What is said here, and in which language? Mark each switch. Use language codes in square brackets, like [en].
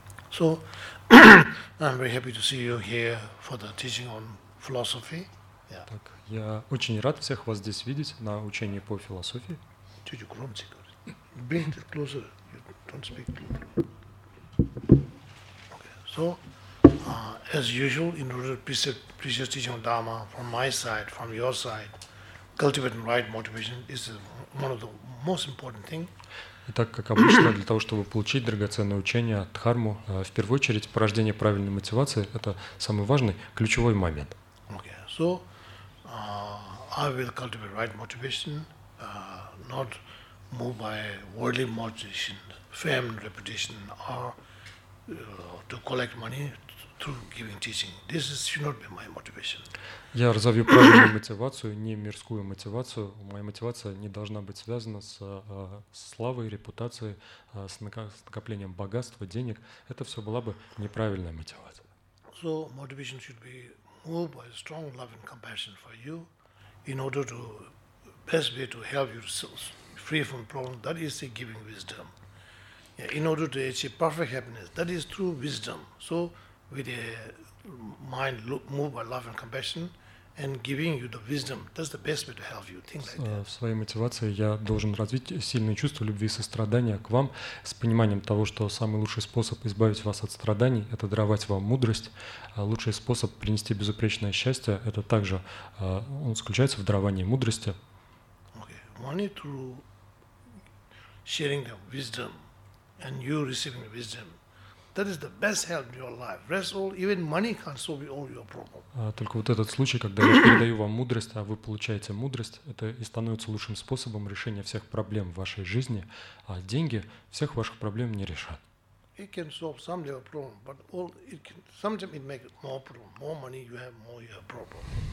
[en] So I'm very happy to see you here for the teaching on philosophy. Yeah. [ru] Так, я очень рад всех вас здесь видеть на учении по философии. Чуть громче говорит. [en] Bring it closer. You don't speak closer. Okay. So as usual, in order to precious teaching on Dharma from my side, from your side, cultivating right motivation is one of the most important thing. [ru] Итак, как обычно, для того, чтобы получить драгоценное учение от Дхарму, в первую очередь, порождение правильной мотивации – это самый важный, ключевой момент. [en] Okay. So, I will cultivate right motivation, not move by worldly motivation, fame, reputation, or to collect money through giving teaching. This should not be my motivation. [ru] Я разовью правильную мотивацию, не мирскую мотивацию. Моя мотивация не должна быть связана с славой, репутацией, с накоплением богатства, денег. Это все была бы неправильная мотивация. [en] So motivation should be moved by strong love and compassion for you in order to best way to help yourself free from problems. That is the giving wisdom. Yeah, in order to achieve perfect happiness, that is through wisdom. So with a mind moved by love and compassion, and giving you the wisdom, that's the best way to help you. Things like that. [ru] В своей мотивации я должен развить сильное чувство любви и сострадания к вам, с пониманием того, что самый лучший способ избавить вас от страданий – это даровать вам мудрость. Лучший способ принести безупречное счастье – это также он заключается в даровании мудрости. [en] Okay. Only through sharing the wisdom and you receiving the wisdom. That is the best help in your life. Rest all, even money can't solve all your problems. [ru] Только вот этот случай, когда я передаю вам мудрость, а вы получаете мудрость, это и становится лучшим способом решения всех проблем в вашей жизни. А деньги всех ваших проблем не решат. [en] It can solve some little problem, but all it can sometimes it make more problem. More money you have, more your problem.